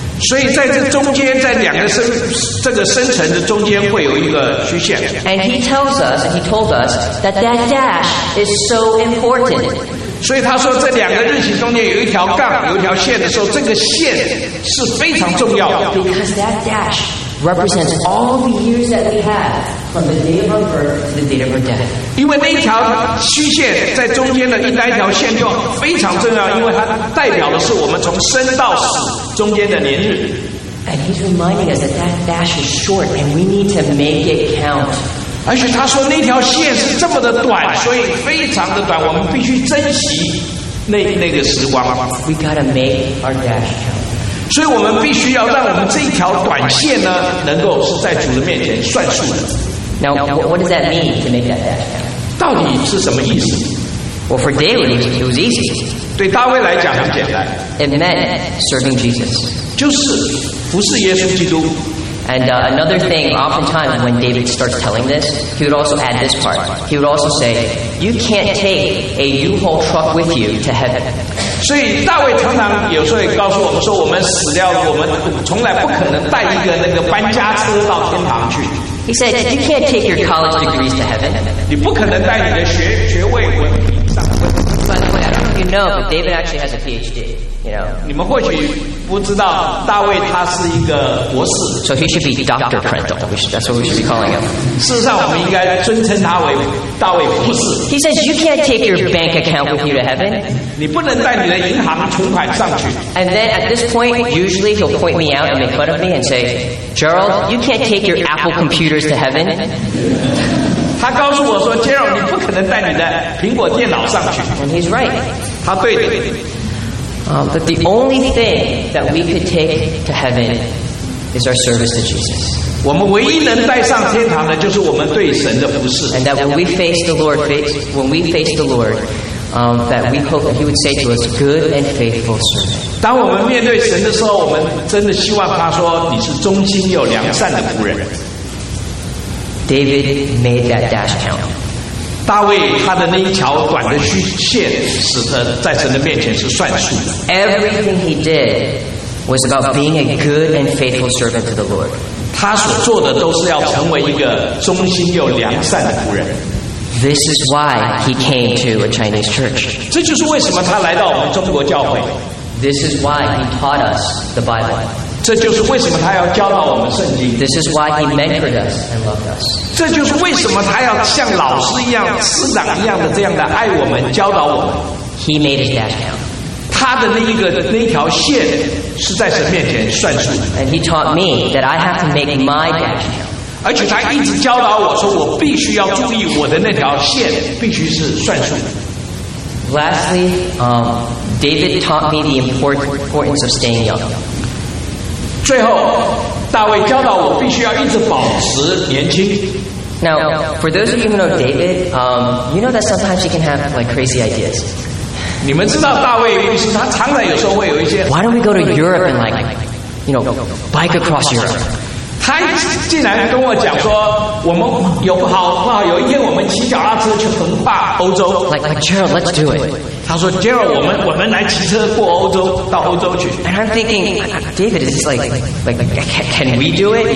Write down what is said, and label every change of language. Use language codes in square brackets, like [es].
[zh] 所以在这中间，在两个生这个生辰的中间会有一个虚线。 [en] And he tells us, he told us that that dash is so important. [zh] 所以他说这两个日期中间有一条杠，有一条线的时候，这个线是非常重要的。 [en] Because that dash represents all the years that we have from the day of our birth to the day of our death. [zh] 因为那条虚线在中间的那一条线就非常重要，因为它代表的是我们从生到死中间的年日。 [en] And he's reminding us that that dash is short and we need to make it count. [zh] 而且他说那条线是这么的短，所以非常的短，我们必须珍惜那个时光。 [en] We gotta make our dash count. [zh] 所以我们必须要让我们这条短线呢，能够是在主的面前算数的。 [en] Now, what does that mean to make that dash count? [zh] 到底是什么意思？ [en] Well, for David, it was easy. [zh] 对大卫来讲很简单。 [en] It meant serving Jesus. [zh] 就是服侍耶稣基督。 [en] And another thing, oftentimes when David starts telling this, he would also add this part. He would also say, you can't take a U-Haul truck with you to heaven. [zh] 所以大卫常常有时候也告诉我们说，我们死掉了，我们从来不可能带一个那个搬家车到天堂去。 [en] He said, you can't take your college degrees to heaven. [zh] 你不可能带你的学位文凭上天堂。 [en] By the way, I don't know if you know, but David actually has a PhD. [zh] 你们或许不知道，大卫他是一个博士。 [en] So he should be Dr. Prendel. That's what we should be calling him. [zh] 事实上，我们应该尊称他为大卫博士。 [en] He says you can't take your bank account with you to heaven. [zh] 你不能带你的银行存款上去。 [en] And then at this point, usually he'll point me out and make fun of me and say, Gerald, you can't take your Apple computers to heaven. [zh] 他告诉我说 ，Gerald， 你不可能带你的苹果电脑上去。 [en] And he's right. [zh] 他对的。 [en] But the only thing that we could take to heaven is our service to Jesus. [zh] 我们唯一能带上天堂的就是我们对神的服事。 [en] And that when we face the Lord, that we hope that He would say to us, good and faithful servant. [zh] 当我们面对神的时候，我们真的希望他说你是忠心又良善的仆人。 [en] David made that dash count. [zh] 大卫他的那一条短的虚线，使得在神的面前是算数的。 [en] Everything he did was about being a good and faithful servant to the Lord. [zh] 他所做的都是要成为一个忠心又良善的仆人。 [en] This is why he came to a Chinese church. [zh] 这就是为什么他来到我们中国教会。 [en] This is why he taught us the Bible. [zh] 这就是为什么他要教导我们圣经。 [en] This is why he mentored us and loved us. [zh] 这就是为什么他要像老师一样、师长一样的这样的爱我们、教导我们。 [en] He made his dash count. [zh] 他的那条线是在神面前算数。 [en] And he taught me that I have to make my dash count. [zh] 而且他一直教导我说，我必须要注意我的那条线必须是算数的。 [en] Lastly, David taught me the importance of staying young. [zh] 最后，大卫教导我必须要一直保持年轻。 [en] Now, for those of you who know David, you know that sometimes he can have like crazy ideas. [zh] 你们知道大卫律师，他常常有时候会有一些。 [en] Why don't we go to Europe and like, you know, bike across Europe? [zh] 他竟然跟我讲说，我们有不好，有一天我们骑脚踏车去横跨欧洲。 [en] Like Gerald, let's do it. [zh] 他说 ，Gerald， 我们来骑车过欧洲，到欧洲去。 [en] And I'm thinking, David, is this like can we do it?